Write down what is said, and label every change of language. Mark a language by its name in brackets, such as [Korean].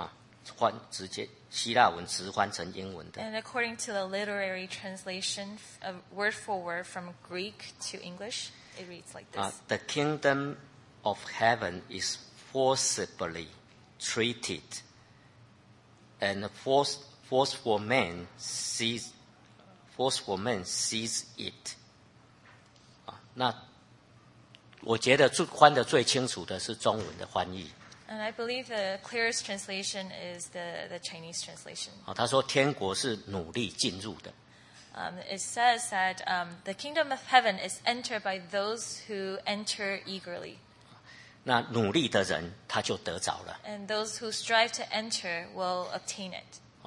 [Chinese] 那另外那个希腊文跟英文直接翻的哈，翻直接希腊文直翻成英文的。 [English] And according to the literary translation, word for word from Greek to English, it reads like this: The kingdom of heaven is forcibly treated, and forceful men seize it. [Chinese] 那我觉得翻的最清楚的是中文的翻译。And [English] I believe the clearest translation is the Chinese translation. [Chinese] 他说天国是努力进入的。 [English] It says that the kingdom of heaven is entered by those who enter eagerly. [Chinese] 那努力的人他就得着了。 [English] And those who strive to enter will obtain it.